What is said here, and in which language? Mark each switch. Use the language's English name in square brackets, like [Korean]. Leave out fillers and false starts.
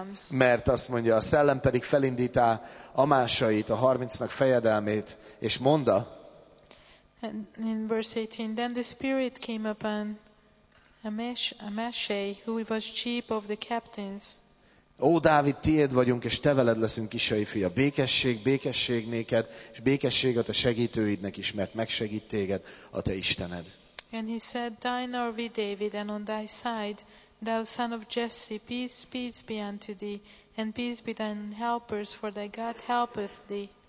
[Hungarian] Mert azt mondja, a szellem pedig felindítá Amásait, a 30-nak fejedelmét, és mondta. [English] In verse 18, then the Spirit came upon Amashai, who was chief of the captains. [Hungarian] Ó, Dávid, tiéd vagyunk, és te veled leszünk, Isai fia. Békesség, békesség néked, és békesség a te segítőidnek is, mert megsegít téged a te Istened. [English] And he said, Thine are we, David, and on thy side, thou son of Jesse, peace, peace be unto thee, and peace be thine helpers, for thy God helpeth thee.